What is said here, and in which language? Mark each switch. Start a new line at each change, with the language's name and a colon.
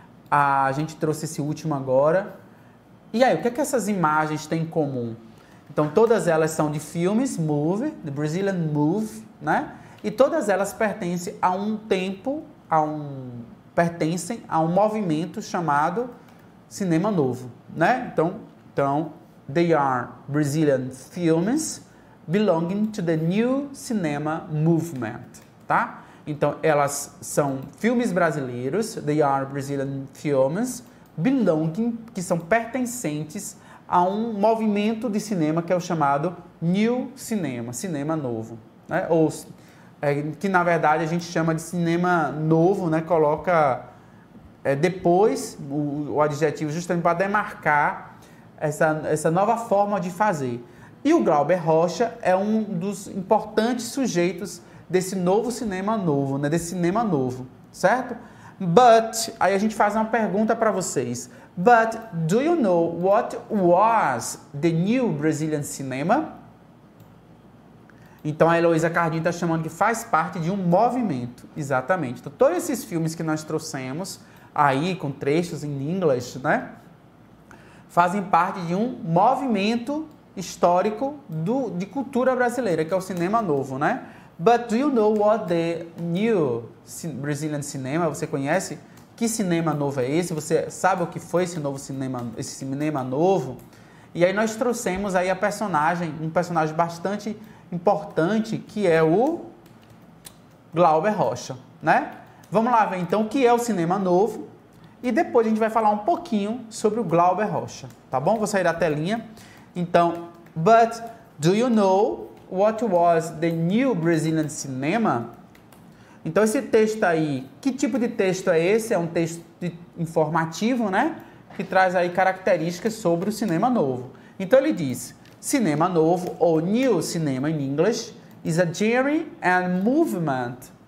Portuguese: A gente trouxe esse último agora. E aí, o que é que essas imagens têm em comum? Então, todas elas são de filmes,
English: movie, the Brazilian movie,
Portuguese: né? E todas elas pertencem a um tempo, a um pertencem a um movimento chamado Cinema Novo, né?
English: Então, they are Brazilian films belonging to the new cinema movement, tá?
Portuguese: Então, elas são filmes brasileiros,
English: they are Brazilian films belonging,
Portuguese: que são pertencentes a um movimento de cinema que é o chamado New Cinema, Cinema Novo, né? Ou que na verdade a gente chama de cinema novo, né? Coloca depois o adjetivo justamente para demarcar essa nova forma de fazer. E o Glauber Rocha é um dos importantes sujeitos desse novo cinema novo, né? Desse cinema novo, certo? But, aí a gente faz uma pergunta para vocês.
English: But, do you know what was the new Brazilian cinema?
Portuguese: Então, a Heloísa Cardinho está chamando que faz parte de um movimento. Exatamente. Então, todos esses filmes que nós trouxemos aí, com trechos em inglês, né? Fazem parte de um movimento histórico de cultura brasileira, que é o cinema novo, né?
English: But do you know what the new Brazilian cinema,
Portuguese: você conhece? Que cinema novo é esse? Você sabe o que foi esse novo cinema, esse cinema novo? E aí nós trouxemos aí a personagem, um personagem bastante importante, que é o Glauber Rocha, né? Vamos lá ver então o que é o cinema novo e depois a gente vai falar um pouquinho sobre o Glauber Rocha, tá bom? Vou sair da telinha.
English: Então, but do you know what was the new Brazilian cinema?
Portuguese: Então, esse texto aí, que tipo de texto é esse? É um texto informativo, né? Que traz aí características sobre o cinema novo. Então, ele diz, cinema novo, ou
English: new cinema in English, is a genre and movement.